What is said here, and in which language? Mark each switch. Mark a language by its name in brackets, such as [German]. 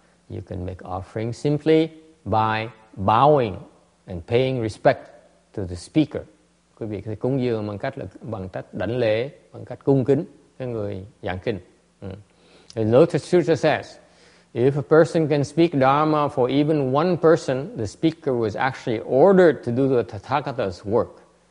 [English] You can make offerings simply by bowing and paying respect to the speaker. [Vietnamese] Quý vị có thể cúng dường bằng cách đảnh lễ, bằng cách cung kính cái người giảng kinh. [English] The sutra says, if a person can speak Dharma for even one person, the speaker was actually ordered to do the Tathagata's work.